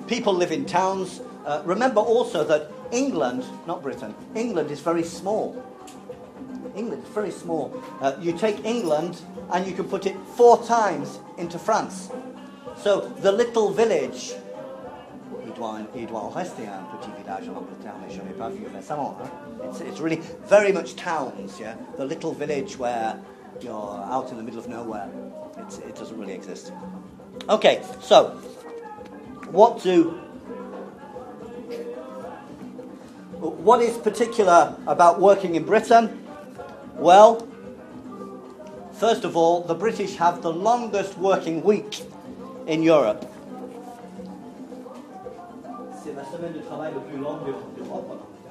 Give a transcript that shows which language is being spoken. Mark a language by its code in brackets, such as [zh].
[en] People live in towns. Remember also that England, not Britain, England is very small. England is very small. You take England and you can put it 4 times into France. So the little village, [fr] il doit en rester un petit village en Angleterre, mais je n'ai pas vu récemment. [en] Hein. It's really very much towns, yeah? The little village where you're out in the middle of nowhere. It doesn't really exist. Okay, so, what is particular about working in Britain? Well, first of all, the British have the longest working week in Europe. [fr] C'est la semaine de travail le plus longue d'Europe.